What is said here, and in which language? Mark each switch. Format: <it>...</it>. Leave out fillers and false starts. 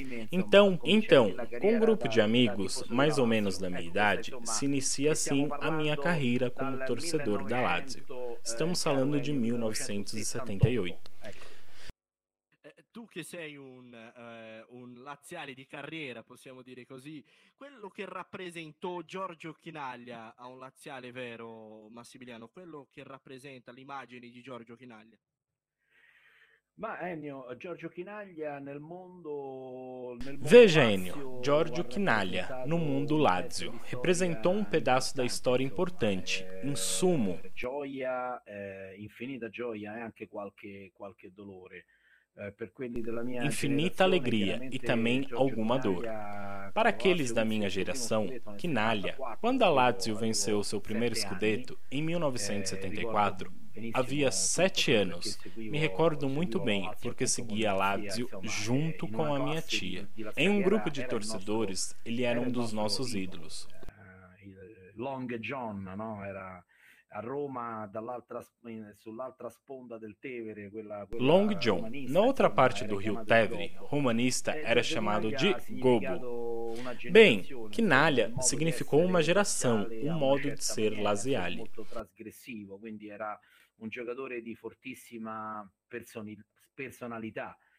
<pt>Então, com um grupo de amigos, mais ou menos da minha idade, se inicia assim a minha carreira como torcedor da Lazio. Estamos falando de 1978.</pt> <it>Tu che sei un laziale di carriera, possiamo dire così, quello che rappresentò Giorgio Chinaglia a un laziale vero, Massimiliano, quello che rappresenta l'immagine di Giorgio Chinaglia? Ma Ennio, Giorgio Chinaglia nel mondo...</it> <pt>Veja, Ennio, Giorgio Chinaglia, no mundo Lazio, representou um pedaço da história importante, in sumo.</pt> <it>Gioia, infinita gioia e anche qualche dolore. Per quelli della mia</it> <pt>infinita alegria e também alguma dor. Para aqueles da minha geração, Chinaglia, quando a Lazio venceu seu primeiro Scudetto, em 1974, havia 7 anos. Me recordo muito bem, porque seguia a Lazio junto com a minha tia. Em um grupo de torcedores, ele era um dos nossos ídolos. Long John, não? Era...</pt> <it>A Roma, sull'altra sponda del Tevere, quella</it> <pt>Long John, na outra parte do rio Tevere, romanista, era chamado de Gobbo. Bem, Chinaglia significou uma geração, um modo de ser laziale.</pt> <it>Molto trasgressivo, quindi era un giocatore di fortissima personalità.</it>